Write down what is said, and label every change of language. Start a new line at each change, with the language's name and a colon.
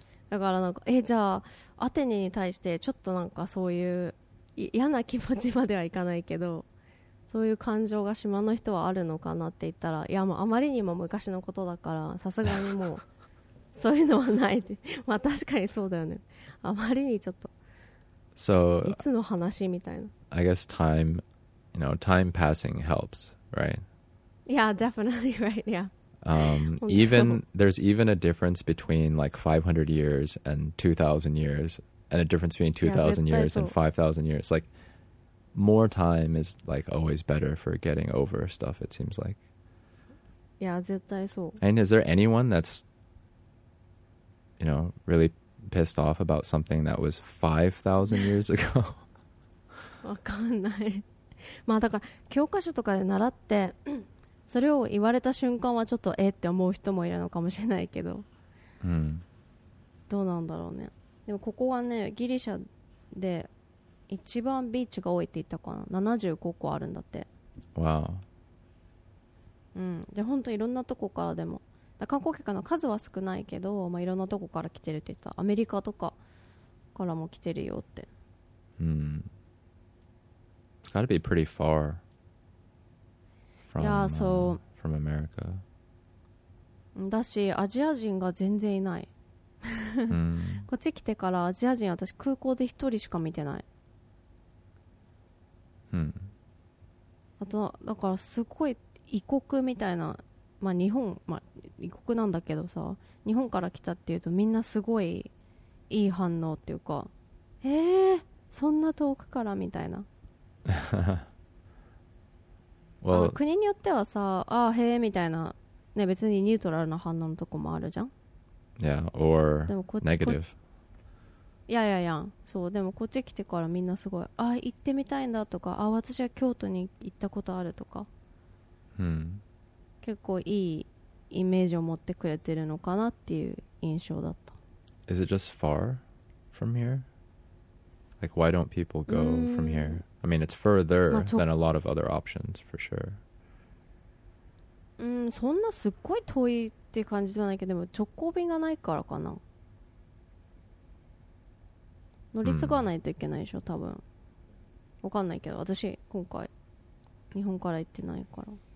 Japanese: だからなんか、じゃあアテネに対してちょっとなんかそういう嫌な気持ちまではいかないけど、そういう感情が島の人はあるのかなって言ったら、いやもうあまりにも昔のことだからさすがにもうそういうのはないって。まあ確かにそうだよね、あまりにちょっと、
English: So,
Japanese: いつの話みたいな。
English: I guess time, you know, time passing helps, right? Yeah, definitely, right, yeah. Even, there's even a difference between like 500 years and 2,000 years, and a difference between 2,000 years and 5,000 years. Like, more time is like always better for getting over stuff, it seems like.
Japanese: Yeah, 絶対そう。
English: And is there anyone that's, you know, really... pissed off about something that was 5,000 years ago?
Japanese: わかんない。まあだから教科書とかで習ってそれを言われた瞬間はちょっとって思う人もいるのかもしれないけど、どうなんだろうね。でもここはねギリシャで一番ビーチが多いって言ったかな。 75個あるんだって。わあ。で本当いろんなとこからでも観光客の数は少ないけど、まあ、いろんなとこから来てるって言った。アメリカとかからも来てるよって。
English: It's gotta be pretty far from, from America.
Japanese: だし、アジア人が全然いない。こっち来てからアジア人、私空港で一人しか見てない。あと、だからすごい異国みたいな。まあ、日本、まあ、異国なんだけどさ、日本から来たっていうとみんなすごいいい反応っていうか、そんな遠くからみたいな。
English: well,
Japanese: 国によってはさ、あーへーみたいな、ね、別にニュートラルな反応のとこもあるじゃん。
English: Yeah, or negative.
Japanese: いやいやいや、そう、でもこっち来てからみんなすごい、あー行ってみたいんだとか、あ私は京都に行ったことあるとか、結構いいイメージを持ってくれてるのかなっていう印象だった。
English: Is it just far from here? Like why don't people go from here? I mean it's further、まあ、than a lot of other options for sure.
Japanese: そんなすっごい遠いって感じではないけど、でも直行便がないからかな。乗り継がないといけないでしょ、多分。わかんないけど、私今回日本から行ってないから。